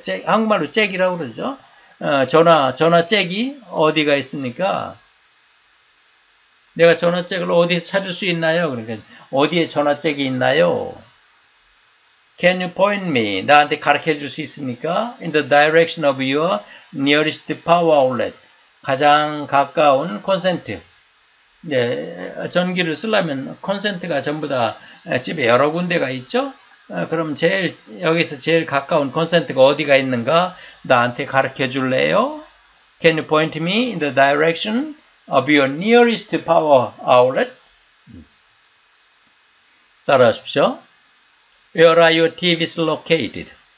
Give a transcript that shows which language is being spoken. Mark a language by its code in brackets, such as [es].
[ko] 잭, 한국말로 잭이라고 그러죠? 전화 잭이 어디가 있습니까? 내가 전화 잭을 어디에 찾을 수 있나요? 그러니까, 어디에 전화 잭이 있나요? [en] Can you point me? [ko] 나한테 가르쳐 줄 수 있습니까? [en] In the direction of your nearest power outlet. [ko] 가장 가까운 콘센트. 예, 전기를 쓰려면 콘센트가 전부 다 집에 여러 군데가 있죠? 그럼 여기서 제일 가까운 콘센트가 어디가 있는가? 나한테 가르쳐 줄래요? [en] Can you point me in the direction of your nearest power outlet? [ko] 따라하십시오. [en] Where are your TVs located?